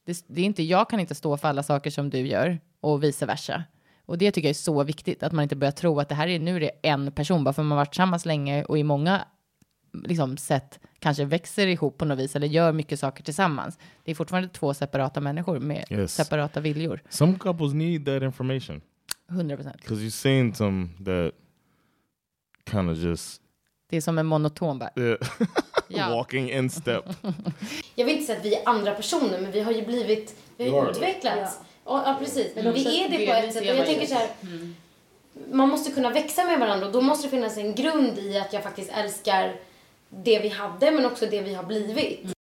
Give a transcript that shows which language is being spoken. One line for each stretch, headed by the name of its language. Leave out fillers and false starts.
Swedish: Det är inte, jag kan inte stå för alla saker som du gör. Och vice versa. Och det tycker jag är så viktigt, att man inte börjar tro att det här är, nu är det en person, bara för man har varit tillsammans länge och i många liksom sätt kanske växer ihop på något vis eller gör mycket saker tillsammans. Det är fortfarande två separata människor med separata viljor.
English: Some couples need that information. 100%. Because you've seen some that kind of just,
Swedish: det är som en monoton bara.
English: Yeah. Walking in step.
Swedish: Jag vill inte säga att vi är andra personer, men vi har ju blivit, vi har utvecklats. Ja, precis. Men vi är det på ett sätt. Och jag tänker så här, man måste kunna växa med varandra. Och då måste det finnas en grund i att jag faktiskt älskar det vi hade, men också det vi har blivit.